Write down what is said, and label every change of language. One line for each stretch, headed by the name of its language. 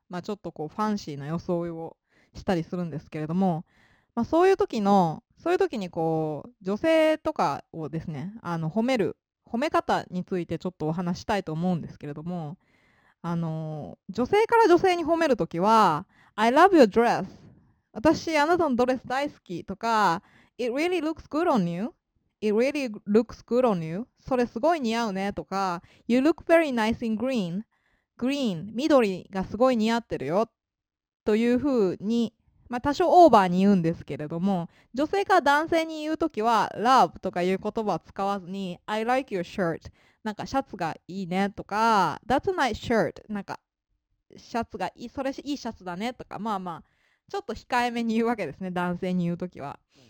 Japanese: ちょっとこうファンシーな装いをしたりするんですけれども、そういう時にこう女性とかをですね、褒め方についてちょっとお話したいと思うんですけれども、女性から女性に褒める時は、
English: I love your dress.
Japanese: 私、あなたのドレス大好きとか、
English: It really looks good on you. It really looks good on you.
Japanese: それすごい似合うねとか、
English: You look very nice in green.
Japanese: Green, 緑がすごい似合ってるよ。というふうに、多少オーバーに言うんですけれども、女性から男性に言うときは、Love とかいう言葉を使わずに、
English: I like your shirt.
Japanese: なんかシャツがいいねとか、
English: That's a nice shirt.
Japanese: なんかシャツがいい、それいいシャツだねとか、ちょっと控えめに言うわけですね、男性に言うときは。